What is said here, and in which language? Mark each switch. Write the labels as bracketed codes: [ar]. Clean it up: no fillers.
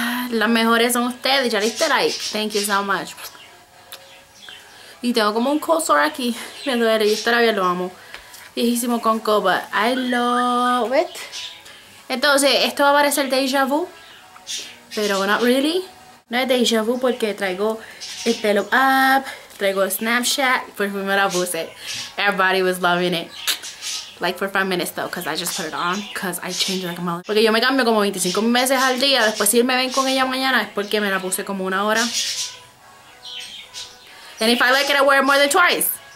[es] Las mejores son ustedes. Ya le diste like. [en] Thank you so much. [es] Y tengo como un cold sore aquí. Me duele. Y esta todavía lo amo. Viejísimo con copa. [en] I love it. [es] Entonces, esto va a parecer déjà vu. Pero [en] not really. [es] No es déjà vu porque traigo el pelo up, traigo Snapchat, por primera vez. [en] Everybody was loving it. Like for 5 minutes though, because I just put it on, because I change like a mother. [es] Porque yo me cambio como 25 veces al día, después si me ven con ella mañana es porque me la puse como una hora. [en] And if I like it, I wear it more than twice.